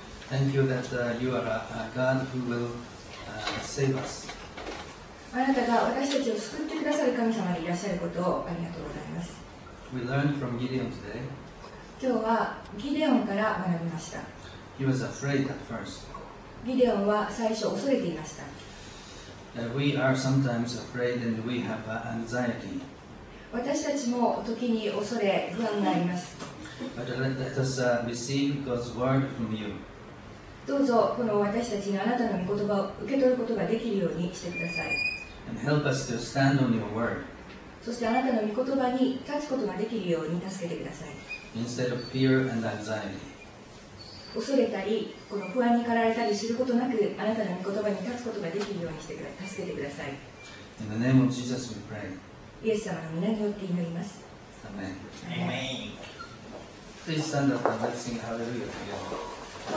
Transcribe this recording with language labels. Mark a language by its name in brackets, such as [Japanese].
[English] Thank you that you are a God who will save us. [Japanese] あなたが私たちを救ってくださる神様にいらっしゃることをありがとうございます。 [English] We learned from Gideon today. [Japanese] 今日はギデオンから学びました。 [English] He was afraid at first. [Japanese] ギデオンは最初恐れていました。 [English] We are sometimes afraid and we have anxiety. [Japanese] 私たちも時に恐れ不安があります。 [English] But let us receive God's word from you. [Japanese] どうぞこの私たちがあなたの御言葉を受け取ることができるようにしてください。 [English] And help us to stand on your word. [Japanese] そしてあなたの御言葉に立つことができるように助けてください。 [English] Instead of fear and anxiety. [Japanese] 恐れたり、この不安に駆られたりすることなく、あなたの御言葉に立つことができるようにして助けてください。 [English] In the name of Jesus we pray. [Japanese] イエス様の皆によって祈ります。 [English] Amen. Please stand up and let's sing Hallelujah together.